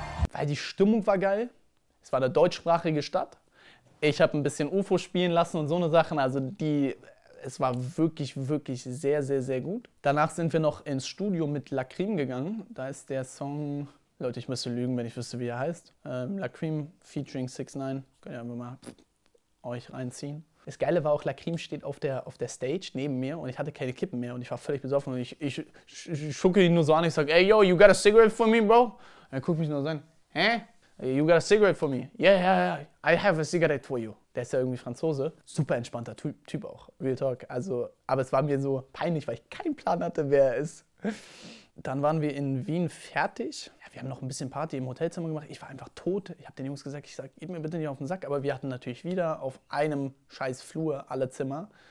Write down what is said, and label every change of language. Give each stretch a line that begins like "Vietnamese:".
German: Weil die Stimmung war geil, es war eine deutschsprachige Stadt, Ich habe ein bisschen UFO spielen lassen und so eine Sachen. Also die, es war wirklich, wirklich sehr, sehr, sehr gut. Danach sind wir noch ins Studio mit Lacrim gegangen. Da ist der Song, Leute, ich müsste lügen, wenn ich wüsste, wie er heißt. Lacrim featuring 6ix9ine. Könnt ihr einfach mal euch reinziehen. Das Geile war auch, Lacrim steht auf der Stage neben mir und ich hatte keine Kippen mehr und ich war völlig besoffen und ich schucke ihn nur so an, ich sage, ey, yo,
English: you got a cigarette for me, bro?
German: Und er guckt mich nur so an, hä?
English: You got a cigarette for me? Yeah, yeah, yeah, I have a cigarette for you.
German: Der ist ja irgendwie Franzose, super entspannter Typ auch,
English: real talk.
German: Also, aber es war mir so peinlich, weil ich keinen Plan hatte, wer er ist. Dann waren wir in Wien fertig. Ja, wir haben noch ein bisschen Party im Hotelzimmer gemacht. Ich war einfach tot. Ich habe den Jungs gesagt, ich sage, gib mir bitte nicht auf den Sack. Aber wir hatten natürlich wieder auf einem scheiß Flur alle Zimmer.